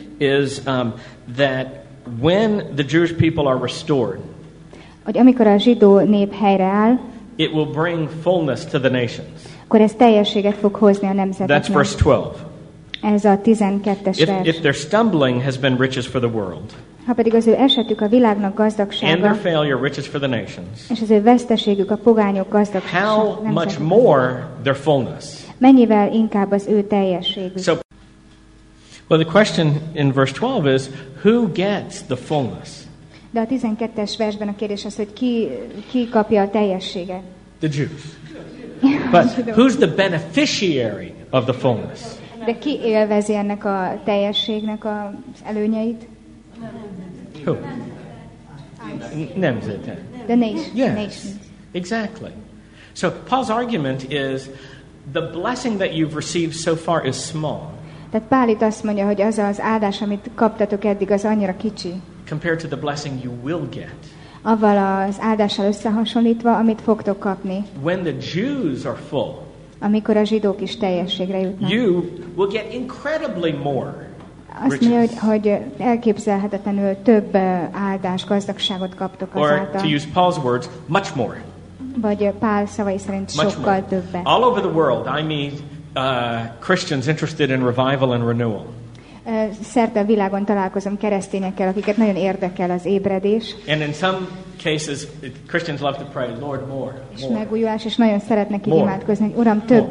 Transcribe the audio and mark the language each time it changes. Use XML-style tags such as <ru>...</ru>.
<en>Is that when the Jewish people are restored.</en> <hu>Hogy amikor a zsidó nép helyreáll.</hu> <en>It will bring fullness to the nations.</en> <hu>Akkor ez teljességet fog hozni a nemzeteknek.</hu> <en>That's verse 12.</en> <hu>Ez a 12-es vers.</hu> <en>If their stumbling has been riches for the world.</en> <hu>Ha pedig az ő esetük a világnak gazdagsága.</hu> <en>And their failure riches for the nations.</en> <hu>És az ő veszteségük a pogányok gazdagsága.</hu> <en>How much more their fullness.</en> <hu>Mennyivel inkább az ő teljességük.</hu> <en>So, well, the question in verse 12 is, who gets the fullness?</en> <hu>De a 12-es versben a kérdés az, hogy ki kapja a teljességet.</hu> <en>The Jews. But who's the beneficiary of the fullness?</en> <hu>De ki élvezi ennek a teljességnek az előnyeit?</hu> <en>Who?</en> <hu>Nemzet.</hu> <en>The nation. Yes, exactly. So Paul's argument is the blessing that you've received so far is small.</en> <hu>Tehát Pál itt azt mondja, hogy az áldás, amit kaptatok eddig, az annyira kicsi.</hu> <en>Compared to the blessing you will get.</en> <hu>Avval az áldással összehasonlítva, amit fogtok kapni.</hu> <en>When the Jews are full.</en> <hu>Amikor a zsidók is teljességre jutnak.</hu> <en>You will get incredibly more.</en> <hu>Azt mondja, hogy elképzelhetetlenül több áldás, gazdagságot kaptok azáltal.</hu> <en>Or to use Paul's words, much more.</en> <hu>Vagy Pál szavai szerint</hu> <en>much</en> <hu>sokkal</hu> <en>more.</en> <hu>Többet.</hu> <en>All over the world, I meet Christians interested in revival and renewal.</en> <hu>szerte a világon találkozom keresztényekkel, akiket nagyon érdekel az ébredés.</hu> <en>And in some cases, Christians love to pray, Lord, more.</en> <hu>És megújulás, és nagyon szeretnek így imádkozni, hogy Uram, többet,</hu>